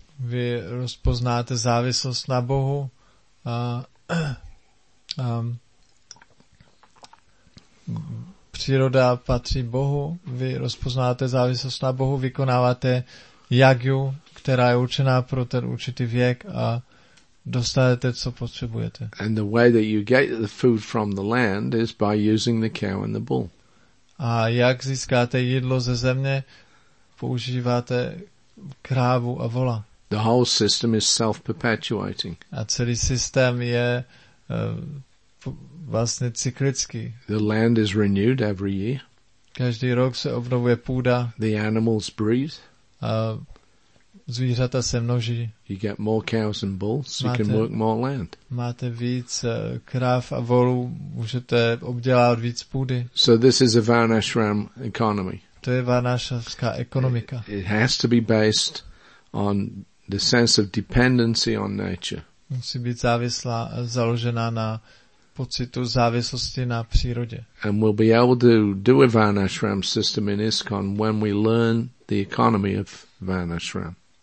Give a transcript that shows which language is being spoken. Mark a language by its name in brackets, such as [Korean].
[Czech] Vy rozpoznáte závislost na Bohu Příroda patří Bohu, vy rozpoznáte závislost na Bohu, vykonáváte jagyu, která je určená pro ten určitý věk a dostanete, co potřebujete. [English] And the way that you get the food from the land is by using the cow and the bull. [Czech] A jak získáte jídlo ze země, používáte krávu a vola. [English] The whole system is self-perpetuating. [Czech] A celý systém je vlastně cyklický. [English] The land is renewed every year. [Czech] Každý rok se obnovuje půda. [English] The animals breathe. [Czech] A zvířata se množí. [English] You get more cows and bulls, máte, you can work more land. [Czech] Máte víc kráv a volů, můžete obdělávat víc půdy. [English] So this is a Varnashram economy. [Czech] To je Varnashramská ekonomika. [English] It has to be based on the sense of dependency on nature. [Czech] Musí být závislá, založená na pocitu závislosti na přírodě. [English] And we'll be able to do a Varnashram system in ISKCON when we learn the economy of Varnashram.